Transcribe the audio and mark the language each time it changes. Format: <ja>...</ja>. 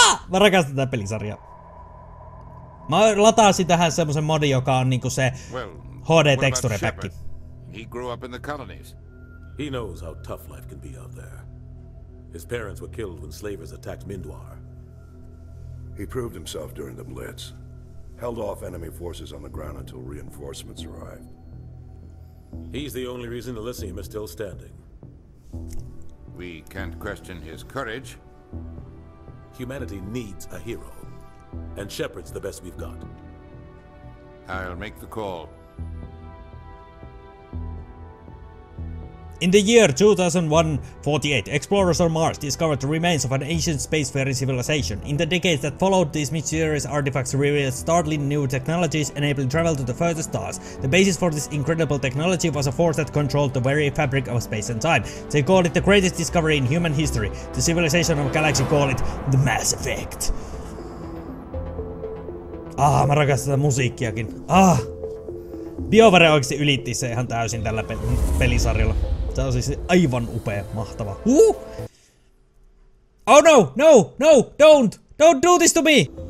<fi>Mä rakastan tätä pelisarjaa. Mä lataasin tähän semmosen modi, joka on niinku se HD-teksturepäkki.</fi> <en>He grew up in the colonies. He knows how tough life can be out there. His parents were killed when slavers attacked Mindwar. He proved himself during the Blitz. Held off enemy forces on the ground until reinforcements arrived. He's the only reason Elysium is still standing. We can't question his courage. Humanity needs a hero. And Shepard's the best we've got. I'll make the call. In the year 2148, explorers on Mars discovered the remains of an ancient spacefaring civilization. In the decades that followed, these mysterious artifacts revealed startling new technologies enabling travel to the furthest stars. The basis for this incredible technology was a force that controlled the very fabric of space and time. They called it the greatest discovery in human history. The civilization of a galaxy called it the Mass Effect.</en> <fi>Ah, mä rakastan tätä musiikkiakin. Ah! BioWare oikeasti ylitti se ihan täysin tällä pelisarjalla. Tää on siis aivan upea, mahtava.</fi> <en>Oh no, no, no, don't do this to me!</en>